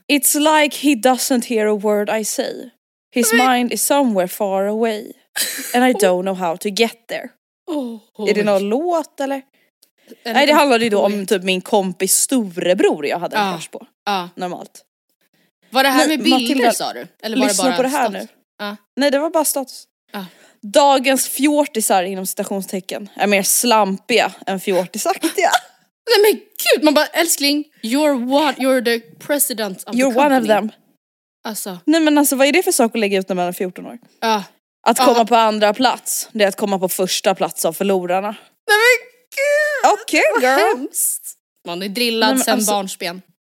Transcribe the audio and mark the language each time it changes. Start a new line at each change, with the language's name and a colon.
English: It's like he doesn't hear a word I say. His mind is somewhere far away. And I don't know how to get there. Oh,
Swedish: är det någon låt eller? Nej, det handlade ju då om typ min kompis storebror jag hade en crush på. Normalt. Var det här med bilder Matilda, sa du? Eller var det bara på det här status? Nu. Nej, det var bara status. Dagens fjortisar inom citationstecken är mer slampiga än fjortisaktiga. Nej men gud, man bara älskling,
English: you're the president of you're the company. One of them.
Swedish: Alltså. Nej men alltså, vad är det för sak att lägga ut när man är 14 år? Ja. Att komma på andra plats, det är att komma på första plats av förlorarna. Nej men gud!
English: Okej, okay, girl.
Swedish: Hemskt. Man är drillad sen alltså, barnsben.